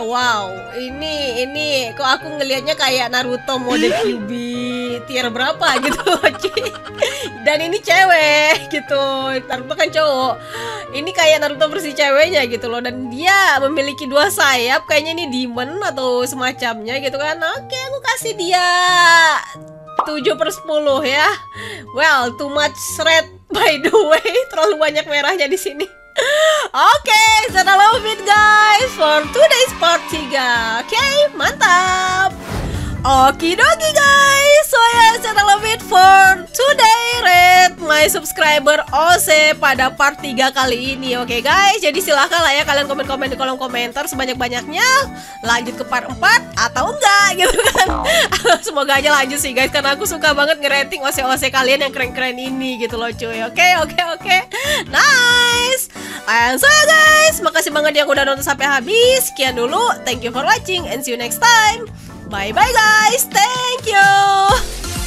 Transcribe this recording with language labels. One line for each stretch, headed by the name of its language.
Indonesian: Wow, ini kok aku ngelihatnya kayak Naruto mode QB tier berapa gitu. Dan ini cewek gitu, Naruto kan cowok. Ini kayak Naruto versi ceweknya gitu loh. Dan dia memiliki dua sayap, kayaknya ini demon atau semacamnya gitu kan. Oke, okay, aku kasih dia 7 per 10 ya.
English: Well, too much red by the way.
Indonesian: Terlalu banyak merahnya di sini.
English: Oke, okay, so I love it guys for today's part 3. Oke, okay, mantap. Okidoki guys, so yeah, so I love it for today rate my subscriber OC pada part 3
Indonesian: kali ini. Oke okay guys, jadi silahkan lah ya kalian komen-komen di kolom komentar sebanyak-banyaknya, lanjut ke part 4 atau enggak gitu kan. Semoga aja lanjut sih guys, karena aku suka banget ngerating OC-OC kalian yang keren-keren ini gitu loh cuy. Oke okay, oke okay, oke okay. Nice.
English: And so yeah guys,
Indonesian: makasih banget yang udah nonton sampai habis. Sekian dulu,
English: thank you for watching and see you next time. Bye bye guys, thank you.